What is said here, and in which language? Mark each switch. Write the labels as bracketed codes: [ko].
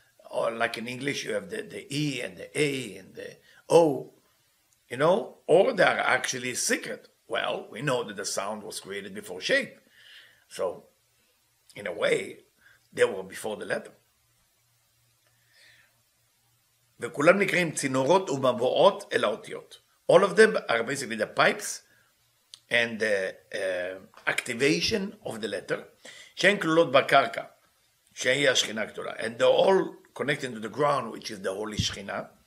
[en] Or like in English, you have the E and the A and the Oh, you know, or they are actually secret. Well, we know that the sound was created before shape. So, in a way, they were before the letter. [he] וכולם נקראים צינורות ומבואות אל האותיות. [en] All of them are basically the pipes and the activation of the letter. [he] שהן כלולות בקרקע, שהיא השכינה הגדולה. [en] And they're all connected to the ground, which is the holy שכינה.